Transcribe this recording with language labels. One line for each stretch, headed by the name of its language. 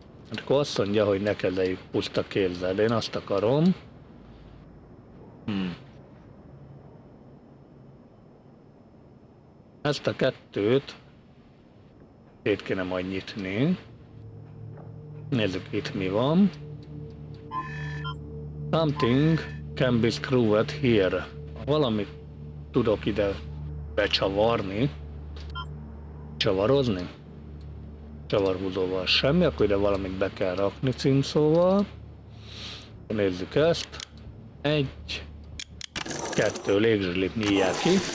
Hungarian: Hát akkor azt mondja, hogy ne kezeljük puszta kézzel, de én azt akarom. Ezt a kettőt szét kéne majd nyitni. Nézzük, itt mi van.
English: Something can be screwed here.
Hungarian: Valamit tudok ide becsavarni. Csavarozni? Csavarhúzóval semmi, akkor ide valamit be kell rakni címszóval. Nézzük ezt. Egy, kettő légzsilip nyíljál ki.